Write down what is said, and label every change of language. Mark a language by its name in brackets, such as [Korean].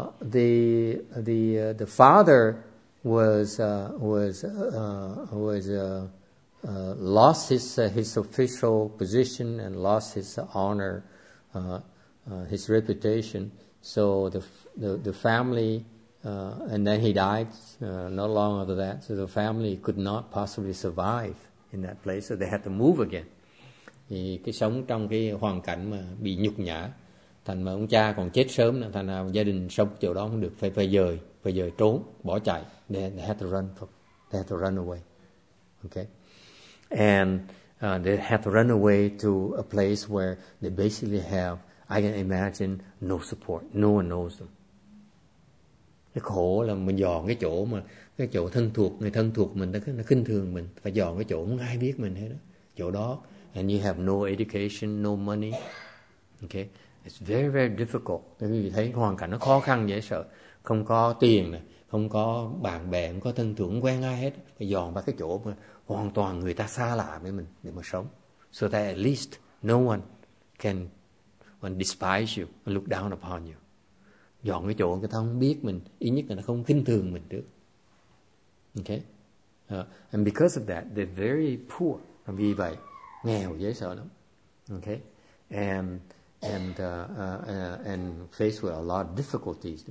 [English] Because the father lost his official position and lost his honor, his reputation. So the family and then he died not long after that. So the family could not possibly survive in that place. So they had to move again. [Vietnamese] Thì cái sống trong cái hoàn cảnh mà bị nhục nhã, thành mà ông cha còn chết sớm nữa, thành nào gia đình sống chỗ đó không được, phải dời trốn, bỏ chạy. [English] They had to run away. Okay. And they had to run away to a place where they basically have, I can imagine, no support. No one knows them. [Vietnamese] Cái khổ là mình dọn cái chỗ mà cái chỗ thân thuộc, người thân thuộc mình nó khinh thường mình, phải dọn cái chỗ không ai biết mình hết đó. Chỗ đó. [English] And you have no education, no money. Okay. It's very, very difficult. [Vietnamese] Thế quý vị thấy hoàn cảnh nó khó khăn dễ sợ. Không có tiền, này, không có bạn bè, không có thân thuộc, không quen ai hết. Phải dọn vào cái chỗ mà hoàn toàn người ta xa lạ với mình để mà sống. [English] So that at least no one can despise you and look down upon you. [Vietnamese] Dọn cái chỗ người ta không biết mình, ít nhất là nó không khinh thường mình được. [English] Okay? And because of that, they're very poor. [Vietnamese] Và vì vậy, nghèo dễ sợ lắm. Okay? [English] And faced with a lot of difficulties.